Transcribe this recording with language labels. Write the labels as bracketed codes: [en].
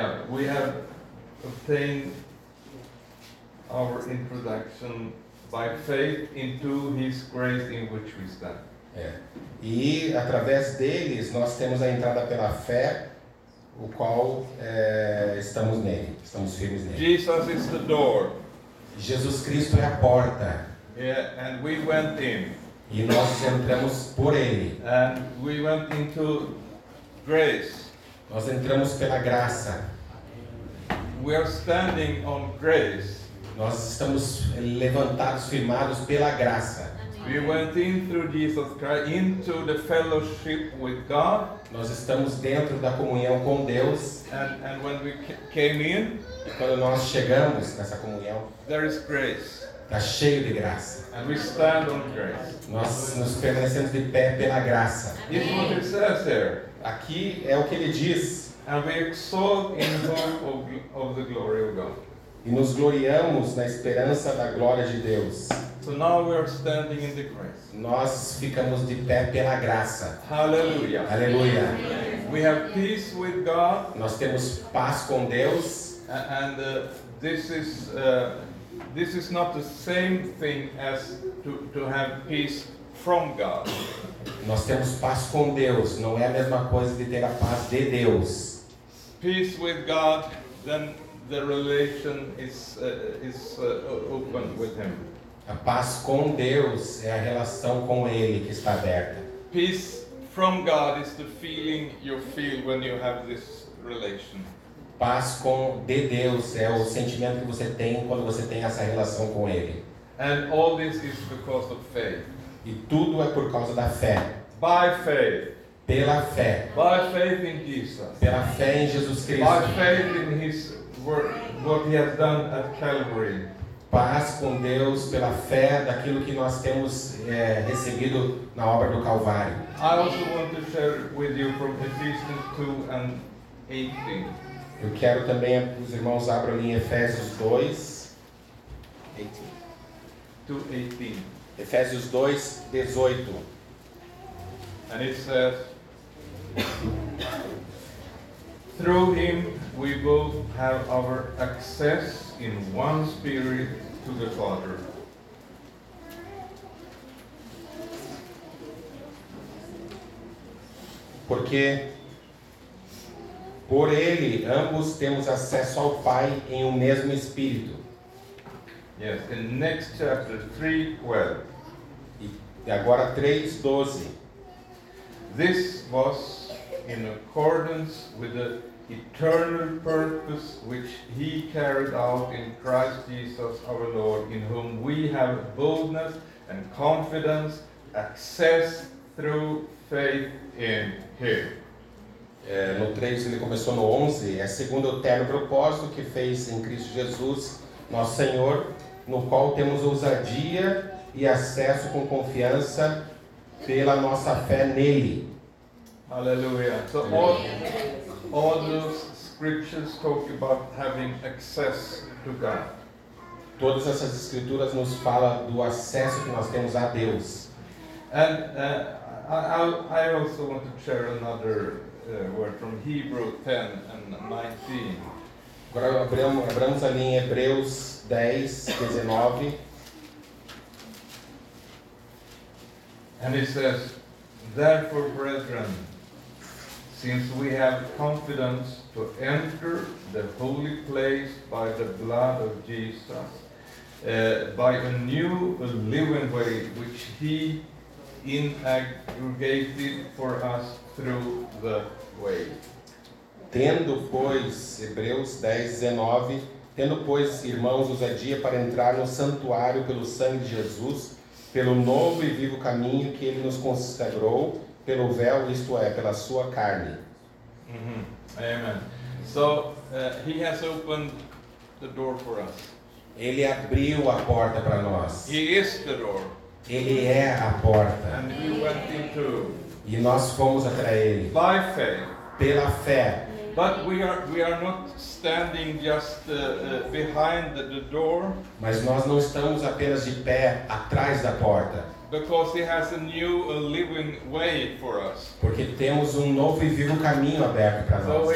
[en] We have obtained our introduction by faith into his grace in which we stand. [pt] É. E através deles nós temos a entrada pela fé, o qual estamos nele, estamos firmes nele. [en] Jesus is the door. [pt] Jesus Cristo é a porta. [en] Yeah, and we went in. [pt] E nós entramos por ele. [en] And we went into grace. [pt] Nós entramos pela graça. [en] We are standing on grace. [pt] Nós estamos levantados, firmados pela graça. [en] We went in through Jesus Christ into the fellowship with God. [pt] Nós estamos dentro da comunhão com Deus. [en] And when we came in, [pt] quando nós chegamos nessa comunhão, [en] there is grace. [pt] Está cheio de graça. [en] And we stand on grace. [pt] Nós nos permanecemos de pé pela graça. [en] This is what it says there. [pt] Aqui é o que ele diz. [en] And we exalt in hope of the glory of God. [pt] E nos gloriamos na esperança da glória de Deus. [en] So now we are standing in the grace. [pt] Nós ficamos de pé pela graça. [en] Hallelujah. [pt] Hallelujah. [en] We have peace with God. [pt] Nós temos paz com Deus. [en] And this is not the same thing as to have peace from God. [pt] Nós temos paz com Deus. Não é a mesma coisa de ter a paz de Deus. [en] Peace with God, then the relation is open with him. [pt] A paz com Deus é a relação com ele que está aberta. [en] Peace from God is the feeling you feel when you have this relation. [pt] Paz com de Deus é o sentimento que você tem quando você tem essa relação com ele. [en] And all this is because of faith. [pt] E tudo é por causa da fé. [en] By faith. [pt] Pela fé. [en] By faith in Jesus. [pt] Pela fé em Jesus Cristo. [en] By faith in his work, what he has done at Calvary. [pt] Paz com Deus pela fé daquilo que nós temos recebido na obra do Calvário. [en] I also want to share with you from Ephesians 2 and 18. [pt] Eu quero também que os irmãos abram em Efésios 2, 18. Efésios 2, 18. [en] And it says, through him we both have our access in one spirit to the Father. [pt] Porque por ele, ambos temos acesso ao Pai em um mesmo Espírito. [en] Yes, in next chapter 3:12. [pt] E agora 3:12. [en] This was in accordance with the eternal purpose which he carried out in Christ Jesus our Lord, in whom we have boldness and confidence, access through faith in him. [pt] No 3, ele começou no 11, é segundo o eterno propósito que fez em Cristo Jesus, nosso Senhor, no qual temos ousadia e acesso com confiança pela nossa fé nele. Aleluia. [en] So all those scriptures talk about having access to God. [pt] Todas essas escrituras nos falam do acesso que nós temos a Deus. [en] And I also want to share another word from Hebrews 10 and 19. [pt] Agora abramos ali em Hebreus 10, 19. [en] And it says, therefore, brethren, since we have confidence to enter the holy place by the blood of Jesus, by a new living way which he inaugurated for us through the way. [pt] Tendo, pois, Hebreus 10, 19, tendo, pois, irmãos, ousadia para entrar no santuário pelo sangue de Jesus, pelo novo e vivo caminho que ele nos consagrou, pelo véu, isto é, pela sua carne. Mm-hmm. Amen. [en] So, he has opened the door for us. [pt] Ele abriu a porta para nós. [en] He is the door. [pt] Ele é a porta. [en] And we went into. [pt] E nós fomos até ele. [en] By faith. [pt] Pela fé. [en] But we are not standing just behind the door. [pt] Mas nós não estamos apenas de pé atrás da porta. [en] Because he has a new living way for us. [pt] Porque temos um novo e vivo caminho aberto para nós.